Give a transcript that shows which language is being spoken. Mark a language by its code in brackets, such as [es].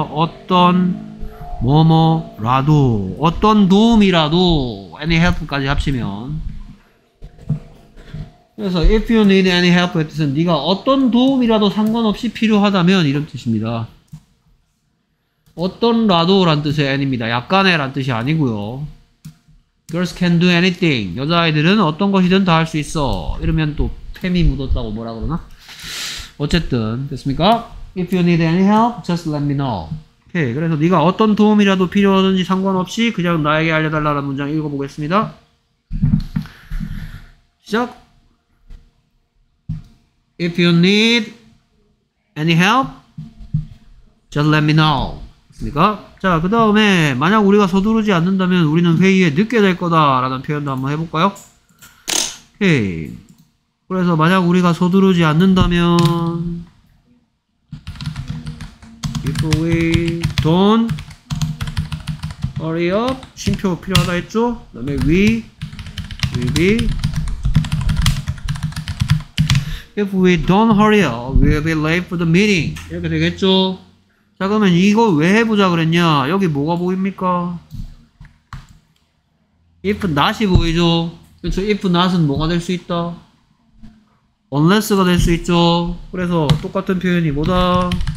[ko] 어떤 뭐뭐라도 어떤 도움이라도 any help까지 합치면 그래서 [en] if you need any help [ko] 의 뜻은 네가 어떤 도움이라도 상관없이 필요하다면 이런 뜻입니다. 어떤 라도란 뜻의 n입니다. 약간의 란 뜻이 아니고요. [en] girls can do anything. [ko] 여자아이들은 어떤 것이든 다 할 수 있어. 이러면 또 템이 묻었다고 뭐라 그러나? 어쨌든 됐습니까? [en] if you need any help, just let me know. [ko] 오케이. 그래서 네가 어떤 도움이라도 필요하든지 상관없이 그냥 나에게 알려달라는 문장 읽어보겠습니다. 시작! [en] If you need any help, just let me know. [ko] 됐습니까? 자, 그 다음에 만약 우리가 서두르지 않는다면 우리는 회의에 늦게 될 거다라는 표현도 한번 해볼까요? 오케이. 그래서 만약 우리가 서두르지 않는다면 [en] If we don't hurry up, [ko] 쉼표 필요하다 했죠? 그 다음에 [en] we will be If we don't hurry up, we'll be late for the meeting. [ko] 이렇게 되겠죠? 자, 그러면 이거 왜 해보자 그랬냐? 여기 뭐가 보입니까? If not이 보이죠? 그렇죠? If not은 뭐가 될 수 있다? Unless가 될 수 있죠? 그래서 똑같은 표현이 뭐다?